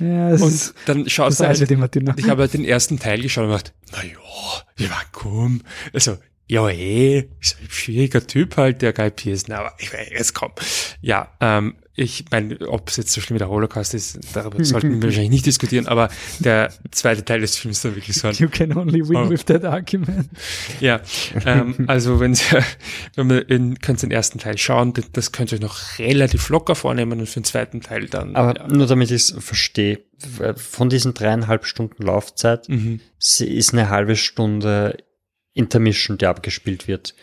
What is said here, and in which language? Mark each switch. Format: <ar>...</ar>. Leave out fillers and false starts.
<de>Ja, und dann schaut er halt, ich habe halt den ersten Teil geschaut und gedacht, naja, ja, komm. Also, ja, ey, schwieriger Typ halt, der Guy Pearce. Na, aber ich meine, jetzt komm. Ja, ich meine, ob es jetzt so schlimm wie der Holocaust ist, darüber sollten wir wahrscheinlich nicht diskutieren, aber der zweite Teil des Films ist dann wirklich so ein...</de> <en>You can only win with that argument.</en> <de>Ja, also wenn wir in, könnt ihr den ersten Teil schauen, das könnt ihr euch noch relativ locker vornehmen und für den zweiten Teil dann... Aber ja. Nur damit ich es verstehe, von diesen 3,5 Stunden Laufzeit, sie ist eine halbe Stunde... Intermission, die abgespielt wird.</de>